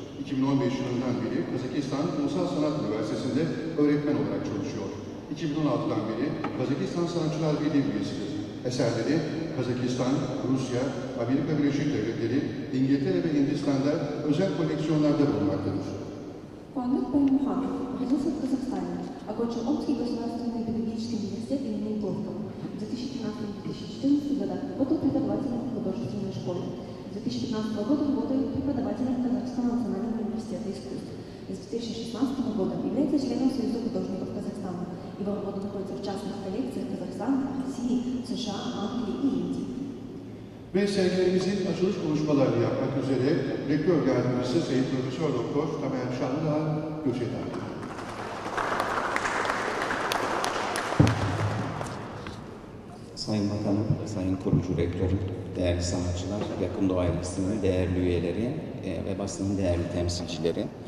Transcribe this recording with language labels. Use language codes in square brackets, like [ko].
[tr] 2015 yılından beri Kazakistan Ulusal Sanat Üniversitesi'nde öğretmen olarak çalışıyor. 2016'dan beri Kazakistan Sanatçılar Birliği üyesidir. Eserleri Kazakistan, Rusya, Amerika Birleşik Devletleri, İngiltere ve Hindistan'da özel koleksiyonlarda bulunmaktadır. [ru] Kuanbek Baymakanov, родился в Казахстане, окончил Омский государственный педагогический университет имени Горького. В 2013-2014 годах работал преподавателем художественной школы. С 2015 года работает преподавателем Казахского национального университета искусств. С 2016 года является членом Союза художников Казахстана. Его работа находится в частных коллекциях Казахстана, России, США, Англии и Индии. [tr] Ve sergilerimizin açılış konuşmaları yapmak üzere rektör yardımcısı Sayın Profesör Doktor Tamer Şanlıdağ Göçedağ. Sayın Bakanım, Sayın Kurucu Rektörüm, değerli sanatçılar, yakın doğa ailesinin değerli üyeleri ve basının değerli temsilcileri.